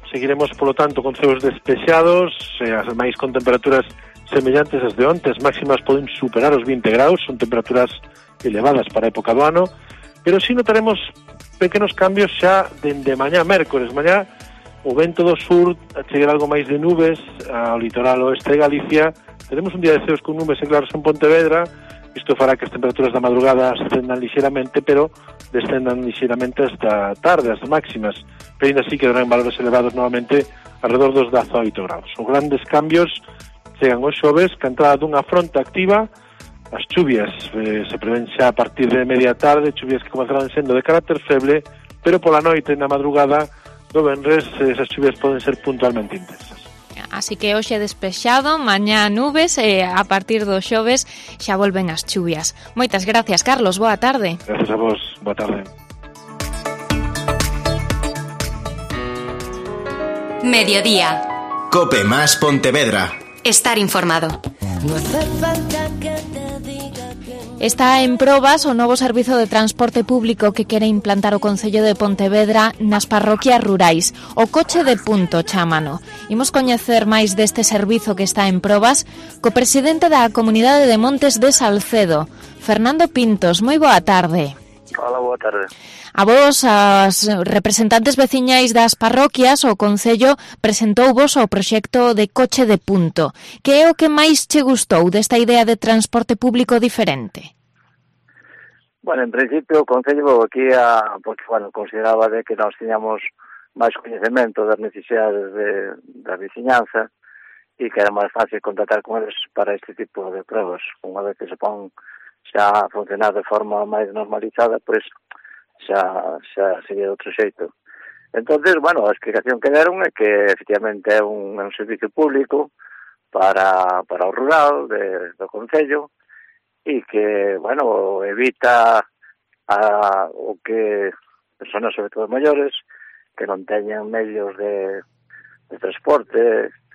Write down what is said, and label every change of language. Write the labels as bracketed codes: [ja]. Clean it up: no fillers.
[gl] Seguiremos, polo tanto, con ceos despexados, ademais con temperaturas semellantes as de onte. As máximas poden superar os 20 graus, son temperaturas elevadas para a época do ano. Pero si notaremos pequenos cambios xa dende mañá, mércores. Mañá o vento do sur chegará algo máis de nubes ao litoral oeste de Galicia. Tenemos un día de ceos con nubes e claros en Pontevedra. Isto fará que as temperaturas da madrugada ascendan lixeramente, pero descendan lixeramente hasta tarde, as máximas. Pero ainda así quedarán valores elevados novamente alrededor dos 18 graus. Os grandes cambios chegan os xoves, que a entrada dunha fronte activa. As chuvias se prevén xa a partir de media tarde, chuvias que comenzarán sendo de carácter feble, pero pola noite na madrugada do venres esas chuvias poden ser puntualmente intensas. Así que hoxe despexado, mañá nubes, a partir do xoves xa volven as chuvias. Moitas gracias, Carlos, boa tarde. Gracias a vos, boa tarde. [es] Mediodía. COPE más Pontevedra. Estar informado. [gl] Está en probas o novo servizo de transporte público que quere implantar o Concello de Pontevedra nas parroquias rurais. O coche de punto, chámano. Imos coñecer máis deste servizo que está en probas co presidente da Comunidade de Montes de Salcedo, Fernando Pintos. Moi boa tarde. Hola, boa tarde. A vos, as representantes veciñais das parroquias, o Concello presentou vos o proxecto de coche de punto. Que é o que máis che gustou desta idea de transporte público diferente? Bueno, en principio, o Concello aquí consideraba de que nós tiñamos máis coñecemento das necesidades da veciñanza [es] y que era más fácil contratar con ellos para este tipo de pruebas. Una vez que se pon, se ha funcionado de forma más normalizada, pues se ha seguido de otro xeito. [gl] Entonces, bueno, a explicación que deron é que efectivamente é un servicio público para o rural do concello e que, bueno, evita o que personas, sobre todo maiores, que non teñan medios de transporte,